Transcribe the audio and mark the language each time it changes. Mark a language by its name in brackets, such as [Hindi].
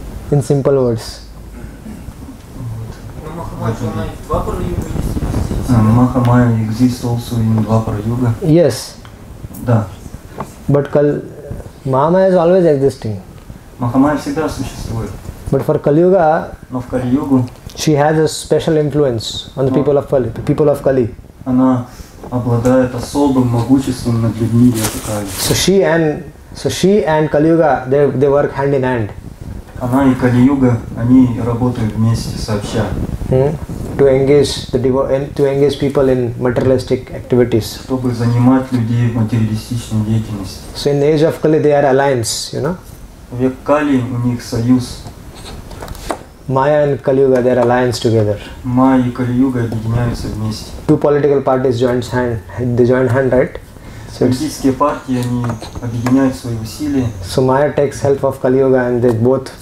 [English] In simple words. Махамая exists also in Двапара-йога. Yes. [Russian] Да. [English] But Махамая is always existing. [Russian] Махамая всегда существует. [English] But for Кали-йога, [Russian] но в Кали-йогу, [English] she has a special influence on the people of Kali. [Russian] Она обладает особым могуществом над людьми этой Кали. [English] So she and Kali Yuga, they work hand in hand. [Russian] Она и Кали Юга, они работают вместе, сообща. [English] To engage people in materialistic activities. [Russian] Чтобы занимать людей в материалистичной деятельности. [English] So in the age of Kali, they are alliance, you know. [Russian] В век Кали у них союз. [English] Maya and Kali Yuga, they are alliance together. [Russian] Майя и Кали Юга объединяются вместе. [English] Two political parties join hand, right? [Russian] Политические партии, они объединяют свои усилия. [English] So Maya takes help of Kali Yuga and they both.